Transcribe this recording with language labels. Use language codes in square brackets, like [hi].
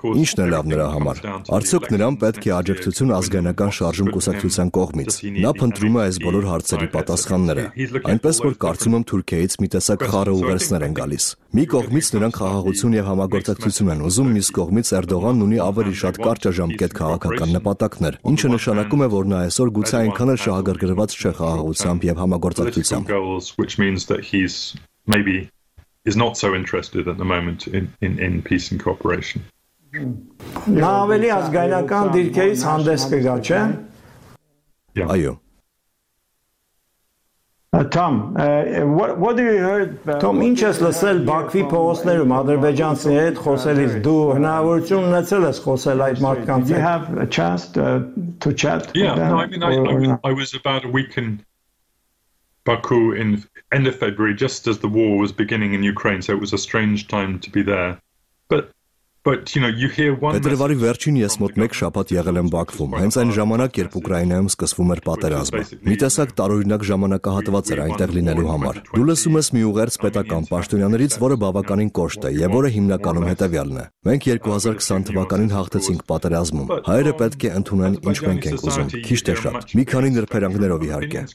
[hy] Ինչն է լավ նրա համար։ Արդյոք նրան պետք է աջակցություն ազգայնական շարժում կուսակցության կողմից։ Նա փնտրում է այս բոլոր հարցերի պատասխանները, այնպես որ կարծում եմ Թուրքիայից մի տեսակ խառը ուղերձներ են գալիս։ Մի կողմից նրանք խաղաղություն եւ համագործակցություն են ուզում, մյուս կողմից Էրդողանն ունի ավելի շատ կարճաժամկետ քաղաքական նպատակներ, ինչը նշանակում է, որ նա այսօր գուցե այնքան էլ շահագրգռված չէ խաղաղությամբ եւ համագործակցությամբ. [en] Which means that he's maybe is not so interested at the moment in peace and cooperation. [hy] Նա ավելի ազգայնական դիրքերից հանդես կգա, չէ՞։ Այո։ [en] Tom, what do you heard? [hy] Tom, ինչ ես լսել Բաքվի փողոցներում ադրբեջանցիների հետ խոսելիս, դու հնարավորություն ունեցել ես խոսել այդ մարդկանց հետ? [en] You have a chance to chat? I was about a week in Baku in end of February, just as the war was beginning in Ukraine, so it was a strange time to be there. But But you know, you hear one. [hy] Փետրվարի վերջին ես մոտ 1 շաբաթ եղել եմ Բաքվում, հենց այն ժամանակ, երբ Ուկրաինայում սկսվում էր պատերազմը։ Մի տեսակ տարօրինակ ժամանակահատված էր այնտեղ լինելու համար։ Դու լսում ես մի ուղերձ պետական պաշտոնյաներից, որը բավականին կոշտ է եւ որը հիմնականում հետեւյալն է։ Մենք 2020 թվականին հաղթեցինք պատերազմում։ Հայերը պետք է ընդունեն, ինչ մենք ենք ուզում, քիչ թե շատ։ Մի քանի նրբերանգներով իհարկե,